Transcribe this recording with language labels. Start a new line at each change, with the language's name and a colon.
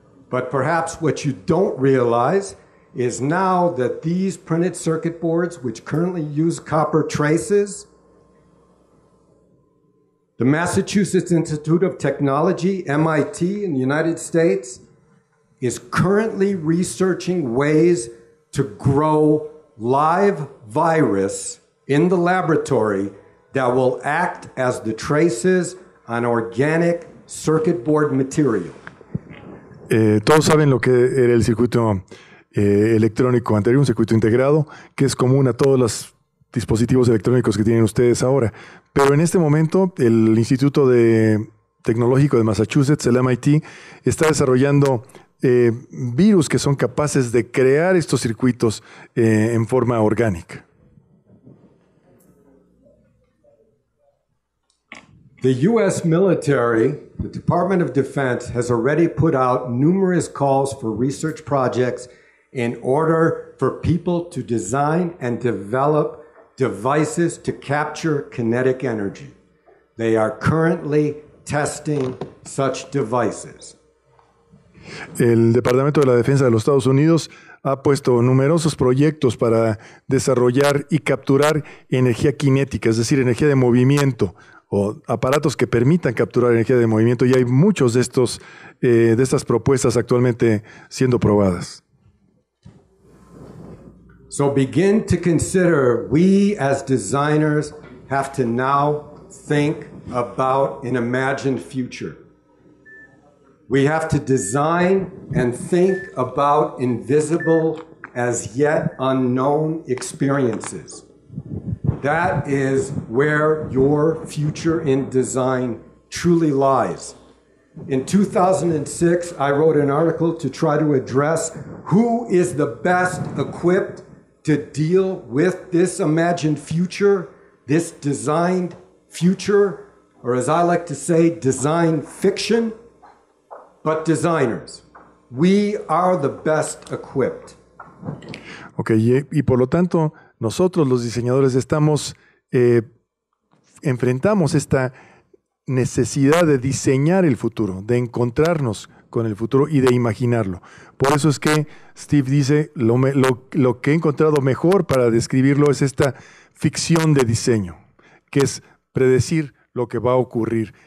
English: But perhaps what you don't realize is now that these printed circuit boards, which currently use copper traces, the Massachusetts Institute of Technology, MIT, in the United States, is currently researching ways to grow live virus in the laboratory that will act as the traces on organic circuit board material.
Spanish: Todos saben lo que era el circuito electrónico anterior, un circuito integrado, que es común a todos los dispositivos electrónicos que tienen ustedes ahora. Pero en este momento, el Instituto Tecnológico de Massachusetts, el MIT, está desarrollando virus que son capaces de crear estos circuitos en forma orgánica.
English: The U.S. military, the Department of Defense, has already put out numerous calls for research projects in order for people to design and develop devices to capture kinetic energy. They are currently testing such devices.
Spanish: El Departamento de la Defensa de los Estados Unidos ha puesto numerosos proyectos para desarrollar y capturar energía cinética, es decir, energía de movimiento, o aparatos que permitan capturar energía de movimiento, y hay muchos de estos de estas propuestas actualmente siendo probadas.
English: So begin to consider, we as designers have to now think about an imagined future. We have to design and think about invisible as yet unknown experiences. That is where your future in design truly lies. In 2006, I wrote an article to try to address who is the best equipped to deal with this imagined future, this designed future, or as I like to say, design fiction. But designers, we are the best equipped.
Spanish: Okay, y por lo tanto, nosotros los diseñadores estamos, enfrentamos esta necesidad de diseñar el futuro, de encontrarnos con el futuro y de imaginarlo. Por eso es que Steve dice, lo que he encontrado mejor para describirlo es esta ficción de diseño, que es predecir lo que va a ocurrir.